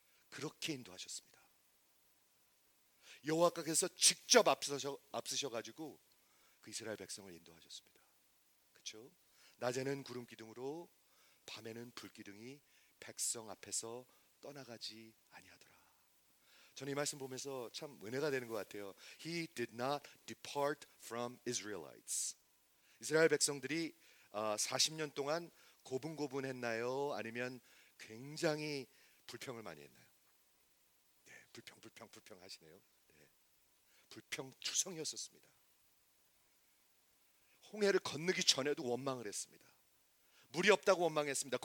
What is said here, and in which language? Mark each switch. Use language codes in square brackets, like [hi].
[ko] 그렇게 인도하셨습니다. 여호와께서 직접 앞서셔가지고 그 이스라엘 백성을 인도하셨습니다. 그렇죠? 낮에는 구름기둥으로 밤에는 불기둥이 백성 앞에서 떠나가지 아니하더라. 저는 이 말씀 보면서 참 은혜가 되는 것 같아요. [en] He did not depart from Israelites. [ko] 이스라엘 백성들이 40년 동안 고분고분했나요? 아니면 굉장히 불평을 많이 했나요? 네, 불평 하시네요. 네, 불평투성이었습니다. 홍해를 건너기 전에도 원망을 했습니다. 물이 없다고 원망했습니다.